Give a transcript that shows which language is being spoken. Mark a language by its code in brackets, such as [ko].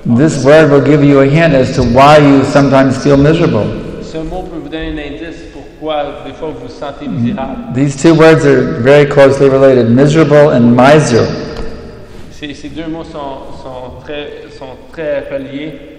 [en] This word will give you a hint as to why you sometimes feel miserable. [fr] Ce mot peut vous donner un indice pourquoi des fois vous vous sentez misérable. [en] These two words are very closely related, miserable and miser. [fr] Ces deux mots sont très reliés.